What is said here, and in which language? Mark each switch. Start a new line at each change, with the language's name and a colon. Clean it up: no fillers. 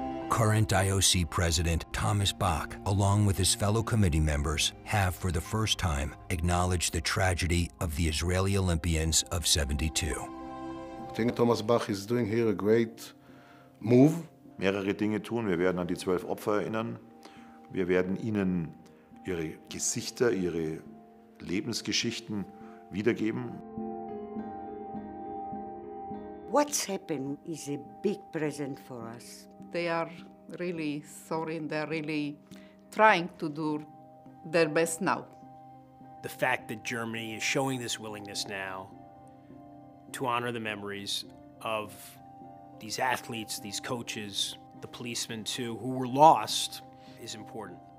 English: Current IOC President Thomas Bach, along with his fellow committee members, have for the first time acknowledged the tragedy of the Israeli Olympians of 72. I think Thomas Bach is doing here a great move.
German: Mehrere Dinge tun. Wir werden an die 12 Opfer erinnern. Wir werden ihnen ihre Gesichter, ihre Lebensgeschichten wiedergeben.
English: What's happened is a big present for us. They are really sorry and they're really trying to do their best now. The fact that Germany is showing this willingness now to honor the memories of these athletes, these coaches, the policemen too, who were lost, is important.